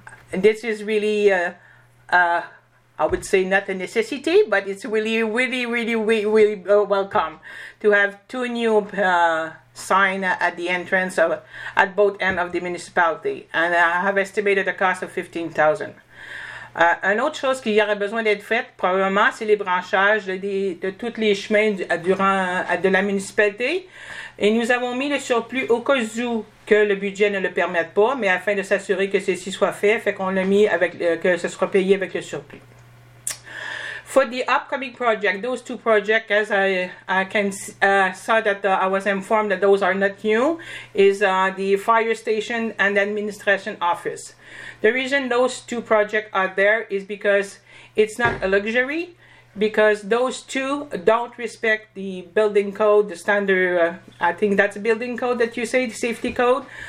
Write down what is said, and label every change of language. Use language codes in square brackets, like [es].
[en] This is really, I would say, not a necessity, but it's really, really, really, really, really welcome to have two new sign at the entrance of at both end of the municipality. And I have estimated a cost of $15,000. [fr] Une autre chose qui aurait besoin d'être faite, probablement, c'est les branchages de tous les chemins de la municipalité. Et nous avons mis le surplus au cas où que le budget ne le permette pas, mais afin de s'assurer que ceci soit fait qu'on l'a mis avec, que ce sera payé avec le surplus. [en] For the upcoming project, those two projects, as I was informed that those are not new, is the fire station and the administration office. The reason those two projects are there is because it's not a luxury, because those two don't respect the building code, the standard, I think that's a building code that you say, the safety code.